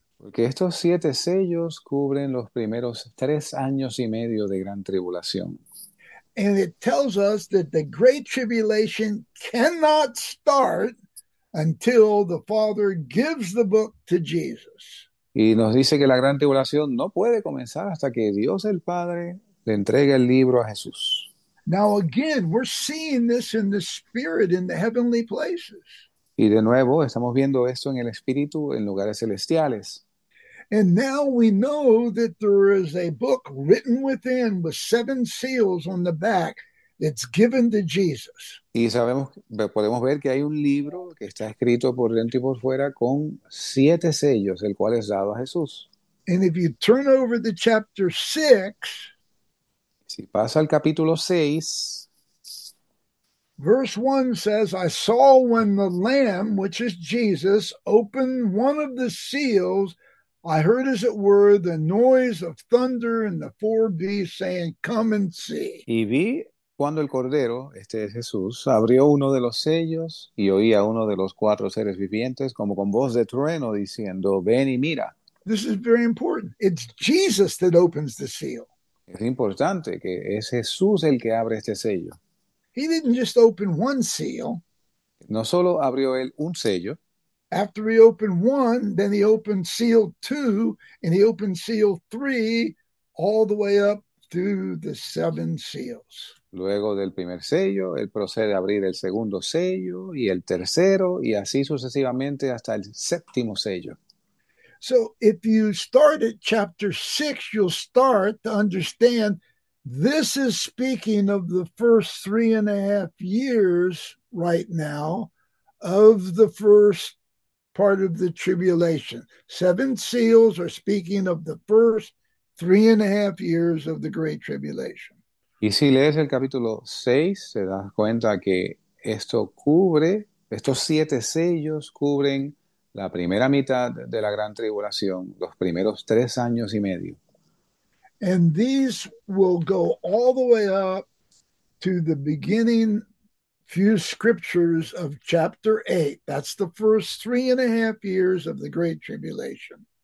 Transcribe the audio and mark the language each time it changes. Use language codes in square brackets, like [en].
[es] Porque estos siete sellos cubren los primeros 3 años y medio de gran tribulación. [en] And it tells us that the Great Tribulation cannot start until the Father gives the book to Jesus. [es] Y nos dice que la gran tribulación no puede comenzar hasta que Dios el Padre le entregue el libro a Jesús. [en] Now again, we're seeing this in the Spirit in the heavenly places. [es] Y de nuevo, estamos viendo esto en el Espíritu en lugares celestiales. [en] And now we know that there is a book written within with seven seals on the back. It's given to Jesus. [es] Y sabemos, podemos ver que hay un libro que está escrito por dentro y por fuera con siete sellos, el cual es dado a Jesús. [en] And if you turn over to chapter 6, [es] si pasa al capítulo 6, [en] verse 1 says, I saw when the Lamb, which is Jesus, opened one of the seals, I heard, as it were, the noise of thunder and the four beasts saying, come and see. [es] Y vi cuando el Cordero, este es Jesús, abrió uno de los sellos y oí a uno de los cuatro seres vivientes como con voz de trueno diciendo, ven y mira. [en] This is very important. It's Jesus that opens the seal. [es] Es importante que es Jesús el que abre este sello. [en] He didn't just open one seal. [es] No solo abrió él un sello. [en] After he opened one, then he opened seal 2, and he opened seal 3 all the way up through the seven seals. [es] Luego del primer sello, él procede a abrir el segundo sello y el tercero y así sucesivamente hasta el séptimo sello. [en] So if you start at chapter 6, you'll start to understand this is speaking of the first 3.5 years right now of the first part of the tribulation. Seven seals are speaking of the first 3.5 years of the Great Tribulation. [es] Y si lees el capítulo 6, te das cuenta que esto cubre, estos siete sellos cubren la primera mitad de la gran tribulación, los primeros 3 años y medio. [en] And these will go all the way up to the beginning few scriptures of chapter 8. That's the first 3.5 years of the Great Tribulation.